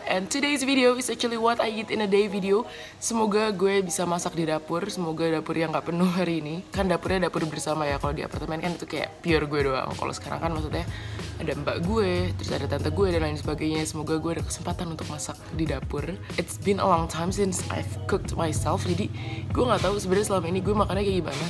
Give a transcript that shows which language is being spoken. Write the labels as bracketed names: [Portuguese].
[English] And today's video is actually what I eat in a day video. [Indonesian] Semoga gue bisa masak di dapur. Semoga dapur yang gak penuh hari ini. Kan dapurnya dapur bersama ya. Kalau di apartemen kan itu kayak pure gue doang. Kalau sekarang kan maksudnya ada mbak gue, terus ada tante gue dan lain sebagainya. Semoga gue ada kesempatan untuk masak di dapur. [English] It's been a long time since I've cooked myself. [Indonesian] Jadi gue gak tahu sebenarnya selama ini gue makannya kayak gimana.